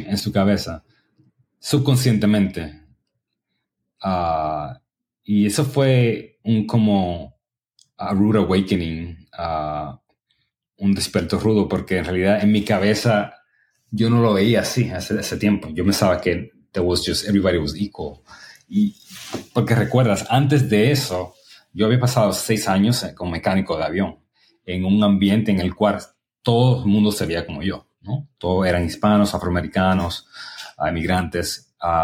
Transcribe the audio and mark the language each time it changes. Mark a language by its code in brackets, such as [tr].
[es] Sí, en su cabeza, subconscientemente. Y eso fue un como [en] a rude awakening, [es] un despertar rudo, porque en realidad en mi cabeza yo no lo veía así hace tiempo. Yo pensaba que [en] there was just everybody was equal. [es] Y porque recuerdas, antes de eso, yo había pasado 6 años como mecánico de avión en un ambiente en el cual todo el mundo se veía como yo, ¿no? Todos eran hispanos, afroamericanos, inmigrantes.